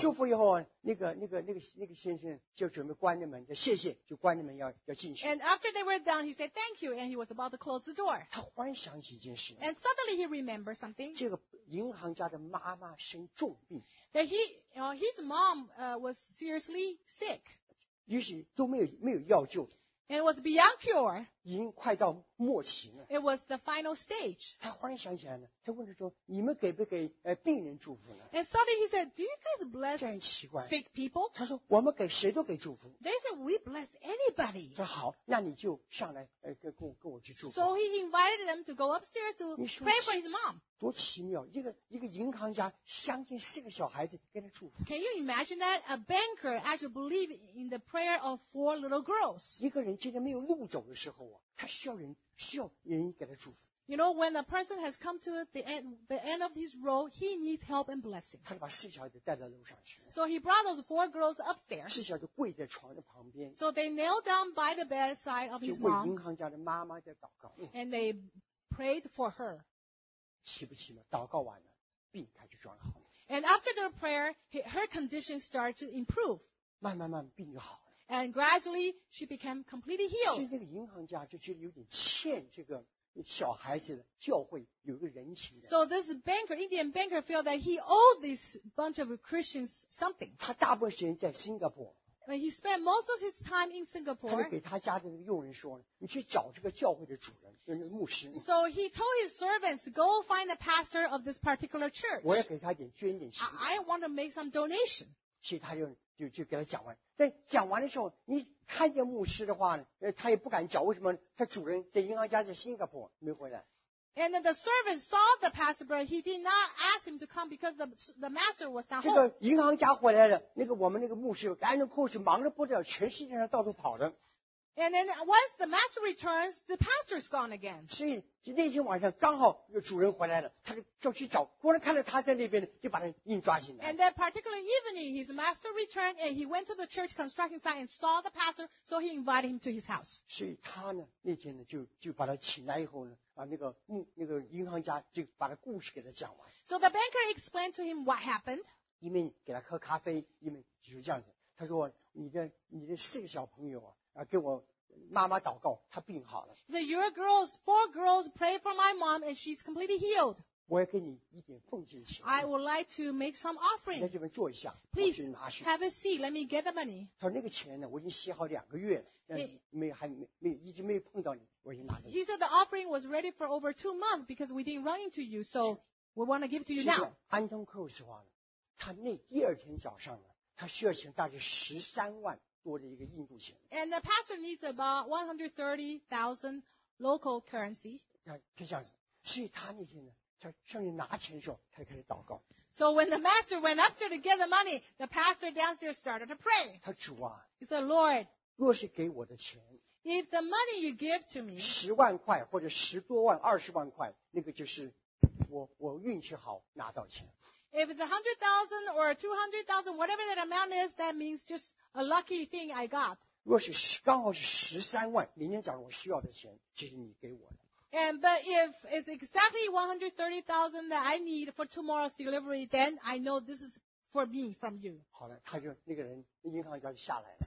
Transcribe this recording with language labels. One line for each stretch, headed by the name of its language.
Chinese: 祝福以后，那个先生就准备关着门，就谢谢，就关着门要进去。
English: And after they were done, he said, "Thank you," and he was about to close the door.
Chinese: 他忽然想起一件事。
English: And suddenly he remembered something.
Chinese: 这个银行家的妈妈生重病。
English: That his mom was seriously sick.
Chinese: 于是都没有药救。
English: And it was beyond cure.
Chinese: 已经快到末期了。
English: It was the final stage.
Chinese: 他忽然想起来了，他问他说：“你们给不给病人祝福呢
English: ？”And suddenly he said, "Do you guys bless sick people?"
Chinese: 他说：“我们给谁都给祝福。
English: ”They said, "We bless anybody."
Chinese: 说好，那你就上来跟我去祝福。
English: So he invited them to go upstairs to pray for his mom.
Chinese: 多奇妙，一个银行家相信四个小孩子给他祝福。
English: Can you imagine that a banker actually believe in the prayer of four little girls?
Chinese: 一个人今天没有路走的时候啊。他需要人给他祝福。
English: You know, when a person has come to the end of his road, he needs help and blessing.
Chinese: 他就把四小孩子带到楼上去。
English: So he brought those four girls upstairs.
Chinese: 四小孩子跪在床的旁边。
English: So they knelt down by the bedside of his mom.
Chinese: 就为银行家的妈妈在祷告。
English: And they prayed for her.
Chinese: 奇不奇妙？祷告完了，病开始转好。
English: And after their prayer, her condition started to improve.
Chinese: 慢慢慢，病就好了。
English: And gradually, she became completely healed.
Chinese: 其实那个银行家就觉得有点欠这个小孩子的教会有一个人情的。
English: So this banker, Indian banker, felt that he owed this bunch of Christians something.
Chinese: 他大部分时间在新加坡。
English: And he spent most of his time in Singapore.
Chinese: 他就给他家的那个佣人说：“你去找这个教会的主人，就是牧师。”
English: So he told his servants, "Go find the pastor of this particular church."
Chinese: 我要给他点捐点钱。
English: I want to make some donation.
Chinese: 所以他就给他讲完。在讲完的时候，你看见牧师的话呢，他也不敢讲。为什么？他主人在银行家在新加坡没回来。
English: And the servant saw the pastor, but he did not ask him to come because the master was not home.
Chinese: 这个银行家回来了，那个我们那个牧师赶紧过去，忙得不得了，全世界上到处跑的。
English: And then once the master returns, the pastor is gone again.
Chinese: 所以那天晚上刚好有主人回来了，他就去找，果然看到他在那边，就把他硬抓进来。
English: And that particular evening, his master returned and he went to the church construction site and saw the pastor, so he invited him to his house.
Chinese: 所以他呢，那天呢就把他请来以后呢，把那个银行家就把他故事给他讲完。
English: So the banker explained to him what happened.
Chinese: 一面给他喝咖啡，一面就是这样子。他说：“你的四个小朋友啊。” 给我妈妈祷告，她病好了。
English: So your girls, four girls, pray for my mom, and she's completely healed. I would like to make some offering. Please have a seat. Let me get the money.
Chinese: 他说那个钱呢，我已经写好两个月了，没一直没有碰到你，我已经拿着。
English: He said the offering was ready for over 2 months because we didn't run into you, so we want to give to you now.
Chinese: 安东克鲁斯说呢，他那第二天早上呢，他需要请大约13万多的一个印度钱。
English: And the pastor needs about 130,000 local currency.
Chinese: 就这样子，所以他那天呢。
English: So when the master went upstairs to get the money, the pastor downstairs started to pray. He said, Lord, if the money you give to me,
Chinese: 10万块或者十多万、二十万块，那个就是我运气好拿到钱。
English: If it's 100,000 or 200,000, whatever that amount is, that means just a lucky thing I got.
Chinese: 若是刚好是十三万，明天早上我需要的钱，就是你给我的。
English: But if it's exactly 130,000 that I need for tomorrow's delivery, then I know this is for me from you.
Chinese: 好了，他就那个人银行员下来了。